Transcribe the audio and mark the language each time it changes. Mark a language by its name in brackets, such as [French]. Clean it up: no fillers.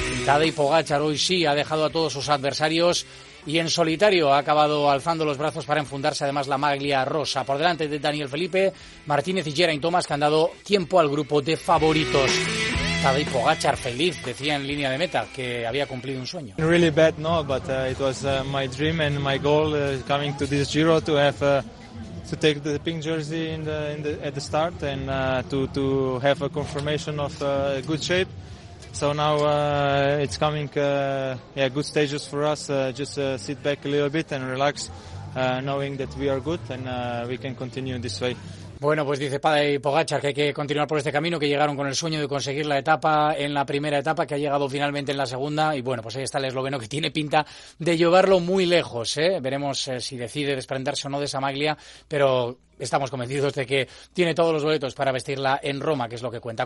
[Spanish] Tadej Pogačar hoy sí ha dejado a todos sus adversarios y en solitario ha acabado alzando los brazos para enfundarse además la maglia rosa por delante de Daniel Felipe, Martínez y Geraint Thomas, que han dado tiempo al grupo de favoritos. Tadej Pogačar feliz, decía en línea de meta que había cumplido un sueño. [English] Really bad, no, but it was my dream and my goal coming to this Giro to have to take the pink jersey in the at the start and to have a confirmation of good shape. So now it's coming good stages for us. Just sit back a little bit and relax, knowing that we are good and we can continue this way. [Spanish] Bueno, pues dice Tadej Pogačar que hay que continuar por este camino, que llegaron con el sueño de conseguir la etapa en la primera etapa, que ha llegado finalmente en la segunda, y bueno, pues ahí está el esloveno que tiene pinta de llevarlo muy lejos, ¿eh? Veremos si decide desprenderse o no de esa maglia, pero estamos convencidos de que tiene todos los boletos para vestirla en Roma, que es lo que cuenta.